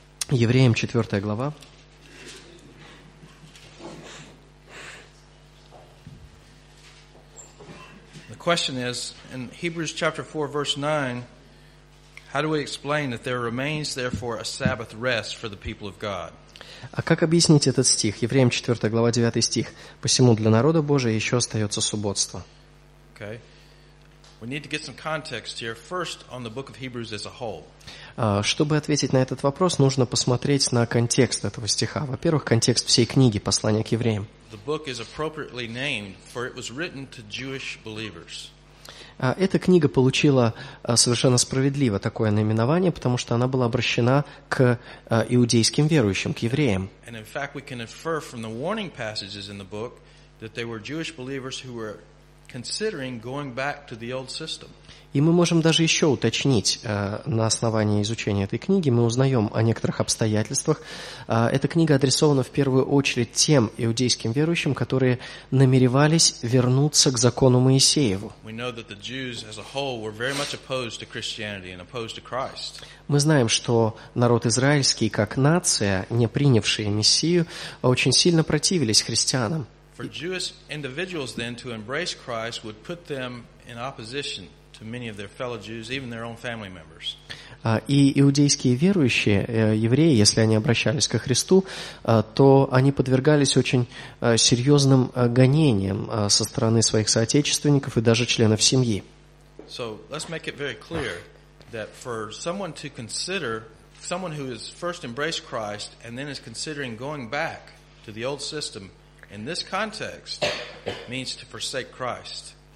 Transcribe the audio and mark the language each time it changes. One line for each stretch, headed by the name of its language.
Russian: Евреям 4 глава.
English: Question is, in Hebrews chapter 4, verse 9, how do we explain that there remains therefore a Sabbath rest for the people of God?
Russian: А как объяснить этот стих? Евреям 4, глава 9 стих. Посему для народа Божия еще остается субботство.
English: Okay. We need to get some context here. First, on the book of Hebrews as a whole.
Russian: Чтобы ответить на этот вопрос, нужно посмотреть на контекст этого стиха. Во-первых, контекст всей книги послания к евреям.
English: The book is appropriately named, for it was written to Jewish believers.
Russian: Эта книга получила совершенно справедливо такое наименование, потому что она была обращена к иудейским верующим, к евреям.
English: And in fact, we can infer from the warning passages in the book that they were Jewish believers who were considering going back to the old system.
Russian: И мы можем даже еще уточнить на основании изучения этой книги, мы узнаем о некоторых обстоятельствах. Эта книга адресована в первую очередь тем иудейским верующим, которые намеревались вернуться к закону Моисееву.
English: We know that the Jews as a whole were very much opposed to Christianity and opposed to Christ.
Russian: Мы знаем, что народ израильский, как нация, не принявшая Мессию, очень сильно противились христианам.
English: For Jewish individuals then to embrace Christ would put them in opposition to many of their fellow Jews, even their own family members.
Russian: И иудейские верующие, евреи, если они обращались ко Христу, то они подвергались очень серьезным гонениям со стороны своих соотечественников и даже членов семьи.
English: So let's make it very clear that for someone to consider, someone who has first embraced Christ and then is considering going back to the old system, in this context, means to forsake Christ.